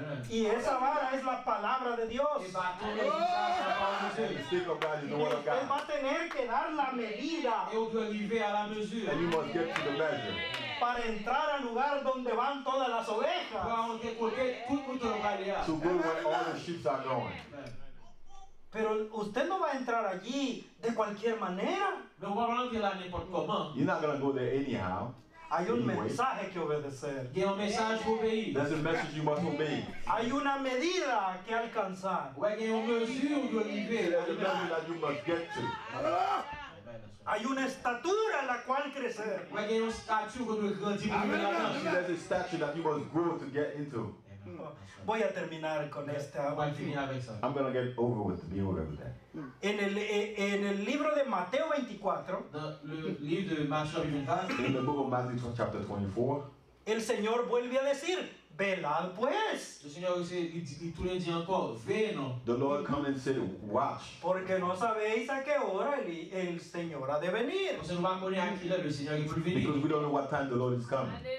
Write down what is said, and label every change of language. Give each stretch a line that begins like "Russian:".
Spanish: Y esa vara es la palabra de Dios. Él va a tener que dar la medida.
French: Et on doit arriver à la mesure.
English: And you must get to the measure.
Spanish: Para entrar al lugar donde van todas las ovejas.
English: To go where all the sheep are going.
Spanish: Pero usted no va a entrar allí de cualquier manera.
English: You're not going to go there anyhow.
Spanish: Hay un mensaje que obedecer.
English: There's a message you must obey.
Spanish: Hay una medida que alcanzar.
English: There's a measure that you must get to.
Spanish: Hay una estatura a la cual crecer.
English: There's a statue that you must grow to get into. There's a statue that you must grow to get into.
Spanish: Voy a terminar con esta.
English: I'm gonna get over with the over there.
Spanish: En el libro de Mateo 24.
English: In the book of Matthew chapter 24.
Spanish: El Señor vuelve a decir, velad pues.
English: The Lord come and say, watch.
Spanish: Porque no sabéis a qué hora el Señor ha de venir.
English: Because we don't know what time the Lord is coming.